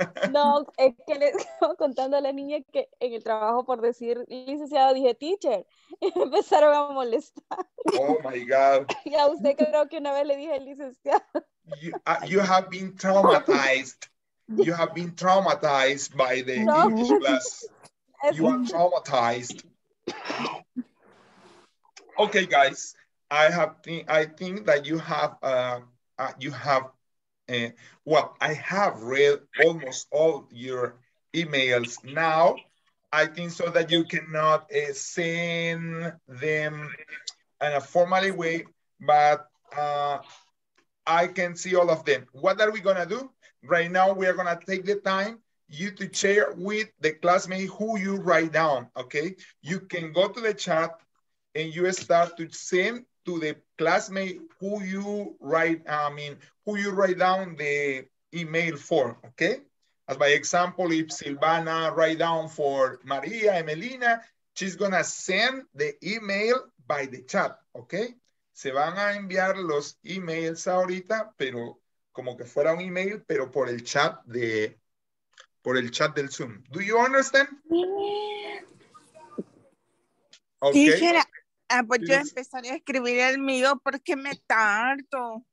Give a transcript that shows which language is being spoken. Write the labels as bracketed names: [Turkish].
[Spanish] No, es que le estaba contando a la niña que en el trabajo por decir licenciado dije teacher y me empezaron a molestar. [English] Oh my God. [Spanish] Y a usted creo que una vez le dije licenciado. [English] You have been traumatized. You have been traumatized by the English class. You are traumatized. Okay, guys, I have read almost all your emails now. I think so that you cannot send them in a formal way, but I can see all of them. What are we going to do? Right now, we are going to take the time you to share with the classmate who you write down, okay? You can go to the chat and you start to send to the classmate who you write, who you write down the email for, okay? As by example, if Silvana write down for Maria, Emelina, she's gonna send the email by the chat, okay? [Spanish] Se van a enviar los emails ahorita, pero como que fuera un email, pero por el chat de... por el chat del Zoom. [English] Do you understand? Okay. [Spanish] Teacher, pues yo empezaré a escribir el mío porque me tardo.